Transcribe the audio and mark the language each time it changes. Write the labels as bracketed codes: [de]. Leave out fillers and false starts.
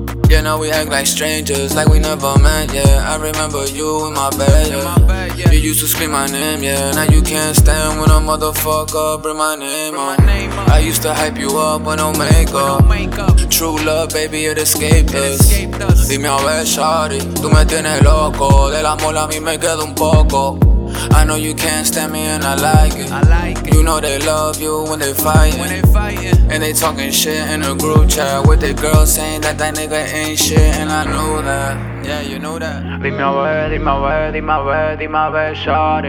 [en] Yeah, now we act like strangers, like we never met, yeah. I remember you in my bed, yeah. You used to scream my name, yeah. Now you can't stand when a motherfucker bring my name on. I used to hype you up with no makeup. True love, baby, it escaped us. [es] Dime a ver, shawty, tú me tienes loco. Del amor a mí me quedo un poco. [en] I know you can't stand me and I like it. I like it. You know they love you when they fightin'. When they fightin'. And they talking shit in a group chat with the girl saying that that nigga ain't shit. And I know that. Yeah, you know that. Leave me away, shorty.